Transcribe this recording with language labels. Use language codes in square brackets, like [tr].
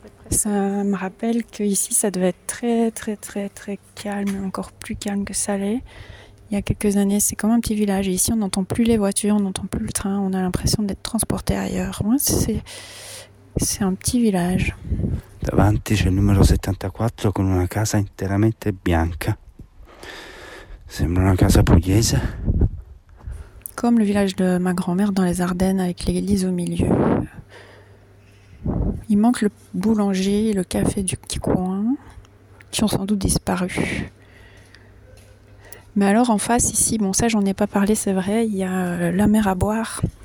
[fr] Ça me rappelle qu'ici ça devait être très calme, encore plus calme que ça l'est. Il y a quelques années c'est comme un petit village et ici on n'entend plus les voitures, on n'entend plus le train, on a l'impression d'être transporté ailleurs. Moi c'est un petit village. [it] Davanti c'è il numero 74 con una casa interamente bianca. [fr] C'est la [it] casa pugliese. [fr] Comme le village de ma grand-mère dans les Ardennes avec l'église au milieu. Il manque le boulanger et le café du petit coin, qui ont sans doute disparu. Mais alors en face ici, bon ça j'en ai pas parlé c'est vrai, il y a la mer à boire.